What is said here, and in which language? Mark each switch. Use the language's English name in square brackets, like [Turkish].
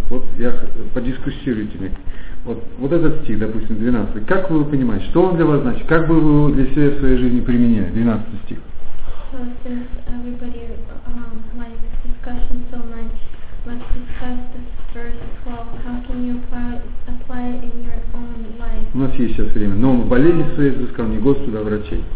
[Russian] Вот я подискуссируйте мне. Вот, вот этот стих, допустим, 12. Как вы понимаете, что он для вас значит? Как бы вы для себя в своей жизни применяли 12 стих? [English] So, since everybody likes discussion so much, let's discuss this verse 12. How can you apply it in your own life? [Russian] У нас есть сейчас время. Но он в болезни своей взыскал не Господа, а врачей.